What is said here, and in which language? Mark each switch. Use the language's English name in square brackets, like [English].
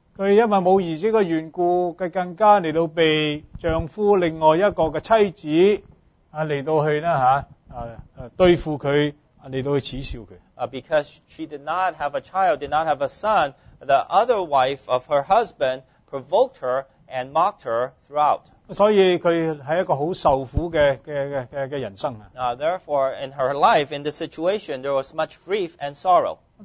[Chinese] 佢因為冇兒子嘅緣故，佢更加嚟到被丈夫另外一個嘅妻子嚟到去咧嚇，對付佢，嚟到去恥笑佢。 [English] Because she did not have a child, did not have a son, the other wife of her husband provoked her and mocked her throughout. [Chinese] 所以佢係一個好受苦嘅人生。 [English] Therefore, in her life, in this situation, there was much grief and sorrow.